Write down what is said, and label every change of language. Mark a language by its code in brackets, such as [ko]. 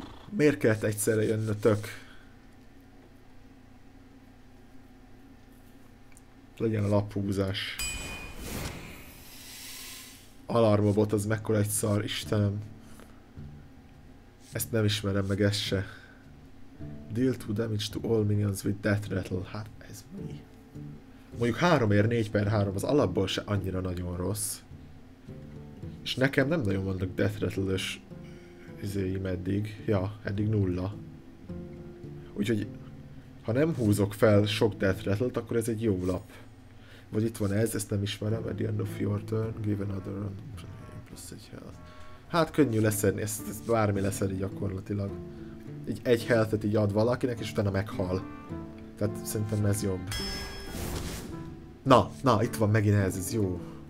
[hu] Miért kellett egyszerre jönnötök? Legyen a laphúzás. Alarmobot, az mekkora egy szar, Istenem. Ezt nem ismerem meg, ezt se. [en] Deal 2 damage to all minions with death rattle. [hu] Hát ez mi? Mondjuk 3-ért 4x3 az alapból se annyira nagyon rossz. És nekem nem nagyon vannak death rattle-ös izéim eddig. Ja, eddig nulla. Úgyhogy ha nem húzok fel sok death rattle-t, akkor ez egy jó lap. Vagy itt van ez, ezt nem ismerem. [en] At the end of your turn, give another run. [hu] Plusz egy health. Hát könnyű leszedni, ezt bármi leszedi gyakorlatilag. Így egy health-et így ad valakinek, és utána meghal. Tehát szerintem ez jobb. Na, na, itt van megint ez, ez jó.